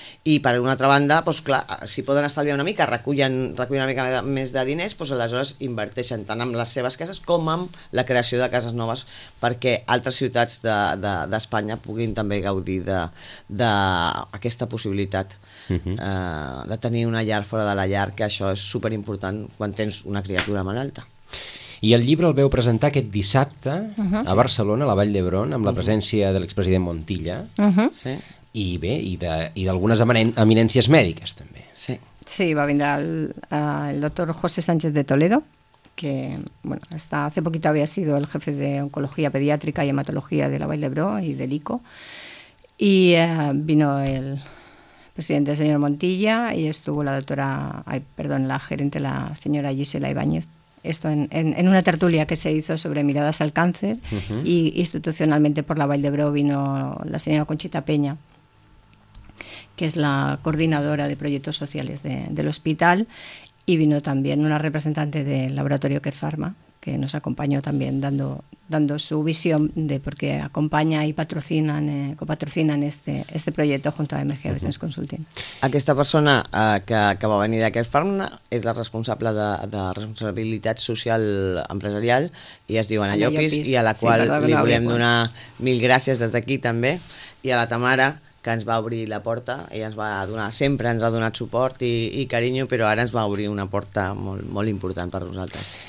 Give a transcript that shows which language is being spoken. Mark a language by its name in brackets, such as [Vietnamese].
[Catalan] I per una altra banda, doncs clar, si poden estalviar una mica, recullen una mica més de diners, doncs aleshores inverteixen tant amb les seves cases com amb la creació de cases noves perquè altres ciutats d'Espanya puguin també gaudir d'aquesta possibilitat de tenir una llar fora de la llar, que això és superimportant quan tens una criatura malalta. I el llibre el veu presentar aquest dissabte a Barcelona, a la Vall d'Hebron, amb la presència de l'expresident Montilla i d'algunes eminències mèdiques, també. Sí, sí, va vindre el doctor [Spanish] José Sánchez de Toledo, que bueno, hasta hace poquito había sido el jefe de Oncología Pediátrica y Hematología de la Vall d'Hebron y del ICO. Y vino el presidente, el señor Montilla, y estuvo la doctora, la gerente, la señora Gisela Ibáñez. Esto en una tertulia que se hizo sobre miradas al cáncer, y institucionalmente por la Vall d'Hebron vino la señora Conchita Peña, que es la coordinadora de proyectos sociales del hospital, y vino también una representante del laboratorio Care Pharma, que nos acompañó también dando su visión de por qué acompaña y copatrocinan este proyecto junto a MG Business Consulting. [Catalan] Aquesta persona que va venir d'aquest Pharma és la responsable de responsabilitat social empresarial, i es diu Anna Llopis, i a la qual li volem donar mil gràcies des d'aquí també, i a la Tamara, que ens va obrir la porta, i sempre ens ha donat suport i carinyo, però ara ens va obrir una porta molt, molt important per nosaltres.